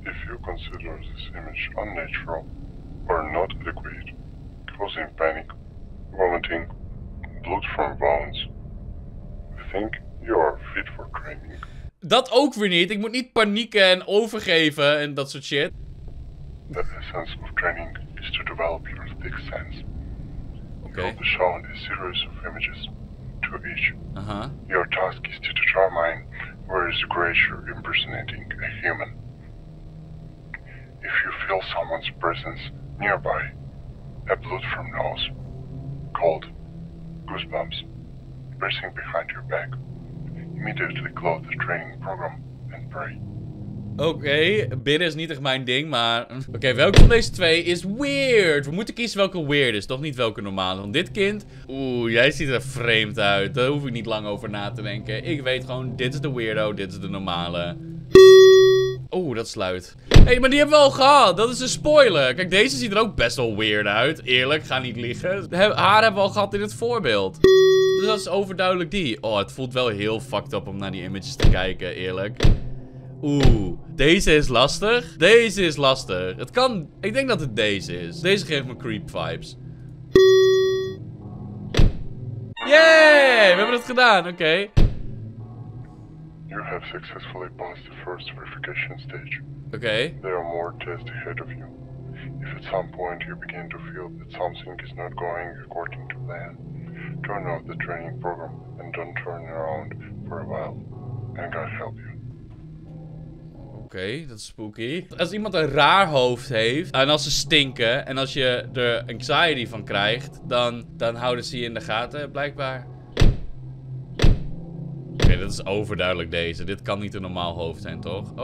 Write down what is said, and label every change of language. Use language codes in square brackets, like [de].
[en] If you consider this image unnatural or not adequate, causing panic, vomiting, blood from wounds, think you are fit for training. [nl] Dat ook weer niet, ik moet niet panieken en overgeven en dat soort shit. [en] The essence of training is to develop your thick sense. Okay. You'll be shown a series of images, two each. Your task is to determine where is the creature impersonating a human. If you feel someone's presence nearby, a blood from nose, cold, goosebumps, pressing behind your back, immediately close the training program and pray. [nl] Oké, bidden is niet echt mijn ding, maar... Oké, welke van deze twee is weird? We moeten kiezen welke weird is, toch niet welke normale. Want dit kind... Oeh, jij ziet er vreemd uit. Daar hoef ik niet lang over na te denken. Ik weet gewoon, dit is de weirdo, dit is de normale. Oeh, dat sluit. Hé, maar die hebben we al gehad. Dat is een spoiler. Kijk, deze ziet er ook best wel weird uit. Eerlijk, ga niet liegen. Haar hebben we al gehad in het voorbeeld. Dus dat is overduidelijk die. Oh, het voelt wel heel [en] fucked up [nl] om naar die images te kijken, eerlijk. Oeh, deze is lastig. Deze is lastig. Het kan... Ik denk dat het deze is. Deze geeft me [en] creep vibes. [nl] Yay! We hebben het gedaan, oké. [en] You have successfully passed the first verification stage. [nl] Oké. [en] There are more tests ahead of you. If at some point you begin to feel that something is not going according to plan, turn off the training program and don't turn around for a while. And God help you. [nl] Oké, dat is spooky. Als iemand een raar hoofd heeft en als ze stinken en als je er anxiety van krijgt, dan houden ze je in de gaten, blijkbaar. Oké, dat is overduidelijk deze. Dit kan niet een normaal hoofd zijn, toch?